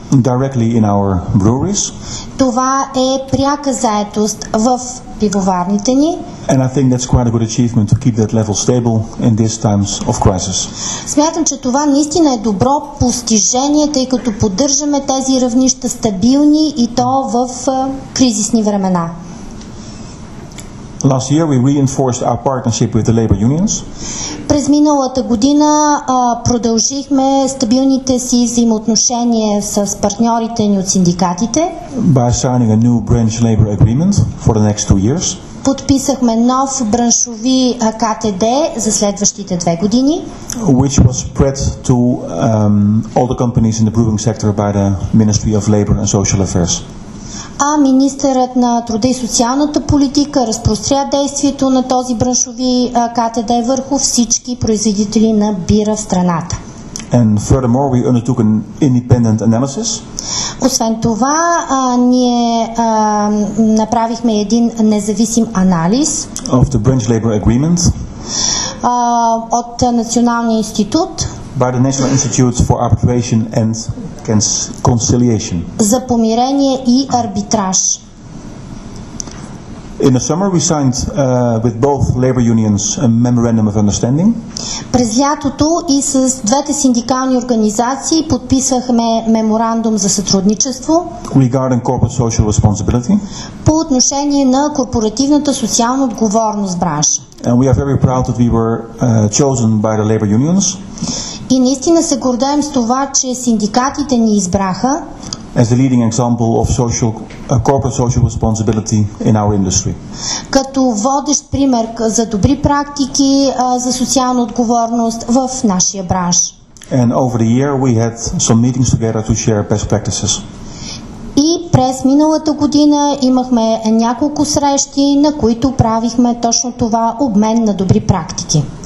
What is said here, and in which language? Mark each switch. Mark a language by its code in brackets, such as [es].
[en] Directly in our breweries. [bg] Това е пряка заетост в пивоварните ни. [en] And I think that's quite a good achievement to keep that level stable in these times of crisis. [bg] Смятам, че това наистина е добро постижение, тъй като поддържаме тези равнища стабилни и то в кризисни времена. [en] Last year we reinforced our partnership with the labor unions. [bg] През миналата година продължихме стабилните си взаимоотношения с партньорите ни от синдикатите. [en] By signing a new branch labor agreement for the next 2 years. [bg] Подписахме нов браншови КТД за следващите 2 години. [en] Which was spread to all the companies in the brewing sector by the Ministry of Labor and Social Affairs. [bg] А министърът на труда и социалната политика разпростря действието на този браншови КТД върху всички производители на бира в страната. [en] And furthermore, we undertook an independent analysis. [bg] Освен това, ние направихме един независим анализ [en] of the branch labor agreement [bg] от Националния институт [en] by the National Institute for Arbitration and Conciliation. [bg] За помирение и арбитраж. [en] In the summer we signed with both labor unions a memorandum of understanding. [bg] През лятото и с двете синдикални организации подписахме меморандум за сътрудничество. [en] Regarding corporate social responsibility. [bg] По отношение на корпоративната социална отговорност бранша. [en] And we are very proud that we were chosen by the labor unions. [bg] И наистина се гордаем с това, че синдикатите ни избраха [en] as a leading example of social, corporate social responsibility in our industry. [bg] Като водещ пример за добри практики за социална отговорност в нашия бранш. [en] And over the year we had some meetings together to share best practices. [bg] И през миналата година имахме няколко срещи, на които правихме точно това обмен на добри практики.